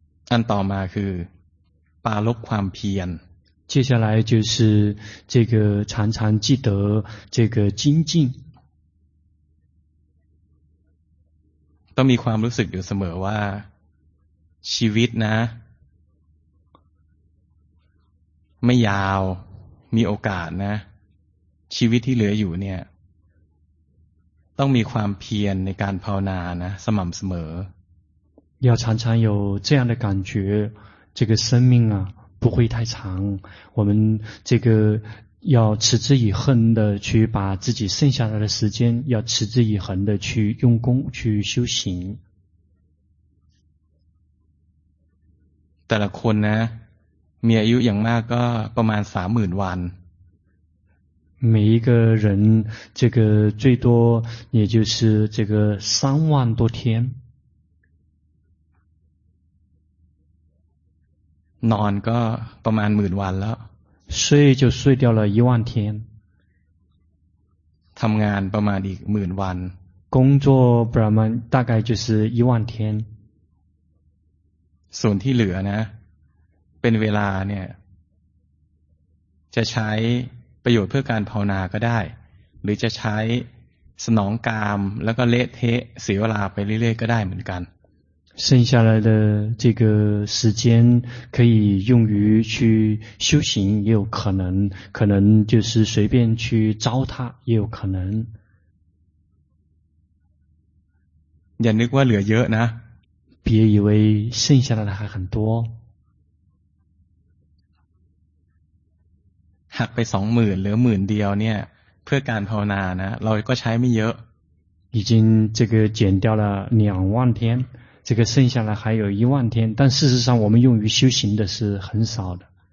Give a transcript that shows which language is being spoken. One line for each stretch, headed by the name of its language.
Thai: อันต่อมาคือปารภความเพียร
Chinese: 接下来就是这个常常记得这个精进
Thai: ต้องมีความรู้สึกอยู่เสมอว่าชีวิตนะไม่ยาวมีโอกาสนะชีวิตที่เหลืออยู่เนี่ยต้องมีความเพียรในการภาวนานะสม่ำเสม
Chinese: อ要常常有这样的感觉这个生命啊不会太长我们这个要持之以恒的去把自己剩下来的时间要持之以恒的去用功去修行
Thai: แต่ละคนนะมีอายุอย่างมากก็ประมาณ 30,000 วัน
Chinese: 每一个人这个最多也就是这个30,000多天
Thai: นอนก็ประมาณ10,000 วันแล้ว
Chinese: 睡就睡掉了10,000天
Thai: ทำงานประมาณอีก10,000 วัน
Chinese: 工作
Thai: ประมาณ
Chinese: 大概就是10,000天
Thai: ส่วนที่เหลือนะเป็นเวลาเนี่ยจะใช้ประโยชน์เพื่อการภาวนาก็ได้หรือจะใช้สนองกามแล้วก็เละเทะเสียเวลาไปเรื่อยๆก็ได้เหมือนกัน
Chinese: 剩下来的这个时间可以用于去修行也有可能就是随便去糟蹋也有可能
Thai: อย่านึกว่าเหลือเยอะนะ
Chinese: 别以为剩下来的还很多
Thai: หักไป20,000หรือ10,000เนี่ยเพื่อการภาวนานะเราก็ใช้ไม่เยอะ
Chinese: 已经这个减掉了20,000天这个剩下来还有10,000天但事实上我们用于修行的是很少的